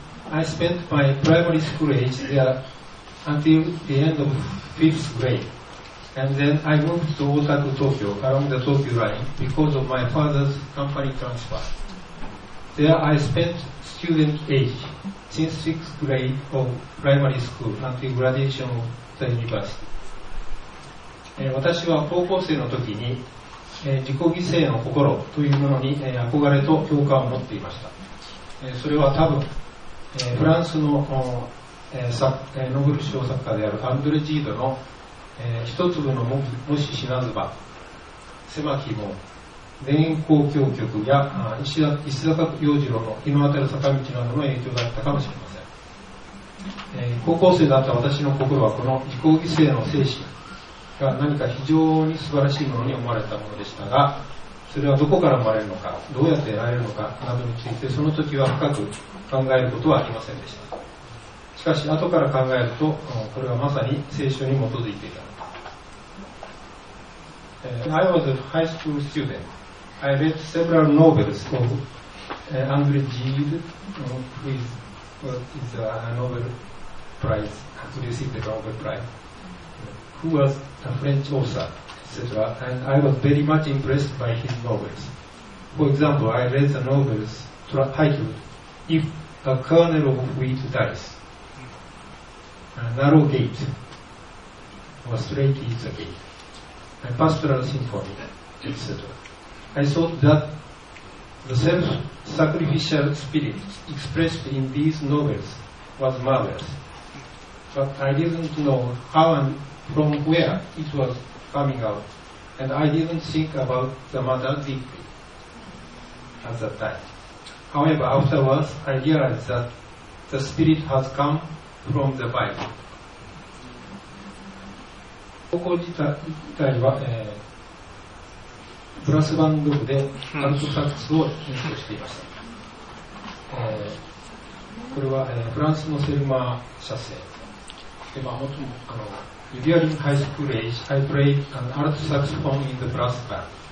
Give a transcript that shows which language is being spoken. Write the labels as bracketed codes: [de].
[en] I spent my primary school age there until the end of fifth grade, and then I moved to Otaku, Tokyo, along the Tokyo line, because of my father's company transfer. There I spent student age, since sixth grade of primary school until graduation of the university. [ja] 私は高校生の時に自己犠牲の心というものに憧れと共感を持っていました。それは多分フランスのノーベル賞作家であるアンドレ・ジードの一粒の もし死なずば狭き門、田園交響曲や石坂洋次郎の日の当たる坂道などの影響だったかもしれません。高校生だった私の心はこの自己犠牲の精神が何か非常に素晴らしいものに思われたものでしたが、それはどこから生まれるのか、どうやって得られるのかなどについてその時は深く考えることはありませんでした。しかし後から考えると、これはまさに聖書に基づいていた。 [en] I was a high school student. I read several novels of Andre Gide, who is a Nobel Prize, who received the Nobel Prize, who was a French author, etc. And I was very much impressed by his novels. For example, I read the novels titled If a Kernel of Wheat Dies, Narrow Gate, or Straight is a Gate. A pastoral symphony, etc. I thought that the self-sacrificial spirit expressed in these novels was marvelous, but I didn't know how and from where it was coming out, and I didn't think about the matter deeply at that time. However, afterwards, I realized that the spirit has come from the Bible. [ja] 高校時代は、ブラスバンド部でアルトサックスを演奏していました。これは、フランスのセルマー社製。で、まあ、元もあの、 [en] During high school age, I played an alt saxophone in the brass band.